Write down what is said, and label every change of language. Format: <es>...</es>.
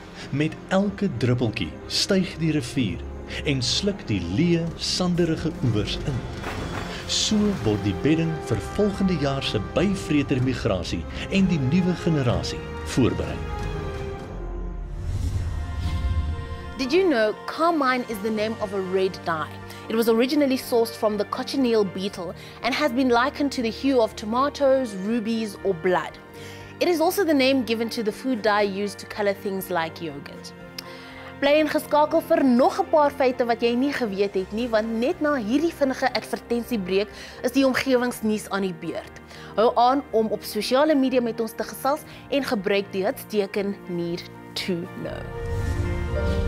<af>Met elke druppeltjie styg die rivier en sluk die leë, sanderige oewers in. So word die bedding vir volgende jaar se byvreter migrasie en die nuwe generasie voorberei.</af> <en>Did you know carmine is the name of a red dye? It was originally sourced from the cochineal beetle and has been likened to the hue of tomatoes, rubies or blood. It is also the name given to the food dye used to color things like yogurt.</en> <af>Bly ingeskakel vir nog 'n paar feite wat jy nie geweet het nie, want net na hierdie vinnige advertensiebreek is die omgewingsnuus aan die beurt. Hou aan om op sosiale media met ons te gesels en gebruik die hitsteken #NEAR2KNOW.</af>